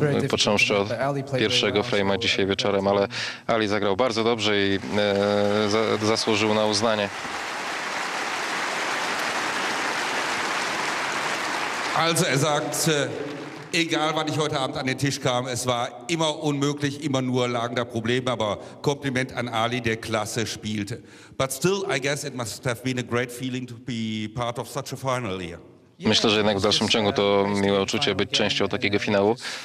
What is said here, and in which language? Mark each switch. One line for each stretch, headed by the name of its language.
Polish: Począwszy od pierwszego frame'a dzisiaj wieczorem, ale Ali zagrał bardzo dobrze i zasłużył na uznanie.
German: Also er sagt, egal wann ich heute Abend an den Tisch kam, es war immer unmöglich, immer nur lagen da Probleme, aber Kompliment an Ali, der klasse spielte.
English: But still, I guess it must have been a great feeling to be part of such a final here.
Polish: Myślę, że jednak w dalszym ciągu to miłe uczucie być częścią takiego finału.